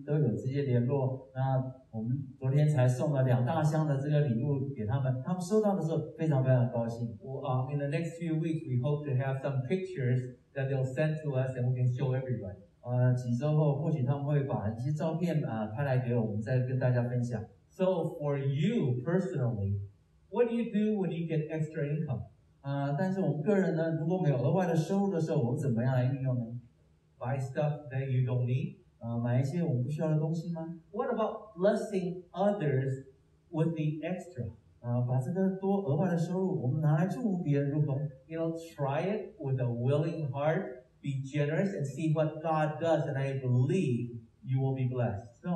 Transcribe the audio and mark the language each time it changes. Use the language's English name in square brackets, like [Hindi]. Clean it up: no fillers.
[Chinese] 我们知道教会跟菲律宾的慈善之家孤儿院一直都有这些联络，那 我们昨天才送了两大箱的这个礼物给他们，他们收到的时候非常非常高兴。 [English] In the next few weeks, we hope to have some pictures that they'll send to us and we can show everybody. [Chinese] 几周后，或许他们会把一些照片拍来给我们，再跟大家分享。 [English] So for you personally, what do you do when you get extra income? [Chinese] 但是我们个人呢，如果没有额外的收入的时候，我们怎么样来运用呢？ [English] Buy stuff that you don't need? [Chinese] 买一些我们不需要的东西吗? [English] What about blessing others with the extra? [Chinese] 把这个多额外的收入我们拿来祝福别人如何? [English] You know, try it with a willing heart, be generous, and see what God does, and I believe you will be blessed.